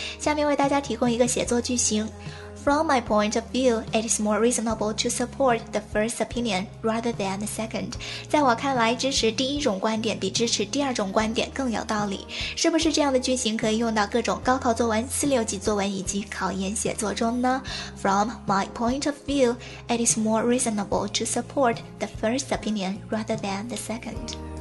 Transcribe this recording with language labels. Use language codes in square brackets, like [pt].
[zh] 下面为大家提供一个写作句型。 [en] From my point of view, it is more reasonable to support the first opinion rather than the second. [zh] 在我看来，支持第一种观点比支持第二种观点更有道理。是不是这样的句型可以用到各种高考作文、四六级作文以及考研写作中呢？ [en] From my point of view, it is more reasonable to support the first opinion rather than the second.